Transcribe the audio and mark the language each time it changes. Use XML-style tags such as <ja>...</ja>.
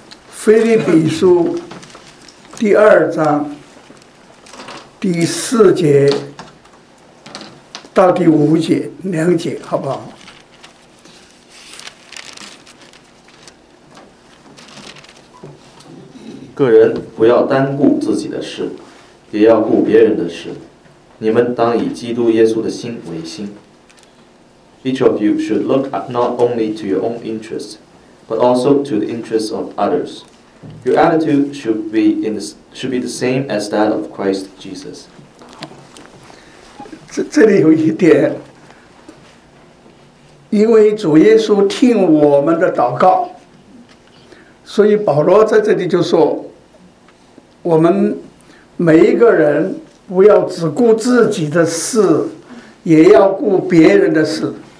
<zh>腓立比书第二章第四节到第五节，两节好不好？个人不要单顾自己的事，也要顾别人的事。你们当以基督耶稣的心为心。</zh> <en>Each of you should look not only to your own interests, but also to the interests of others. Your attitude should be the same as that of Christ Jesus.</en> <zh>这里有一点，因为主耶稣听我们的祷告，所以保罗在这里就说，我们每一个人不要只顾自己的事，也要顾别人的事。</zh>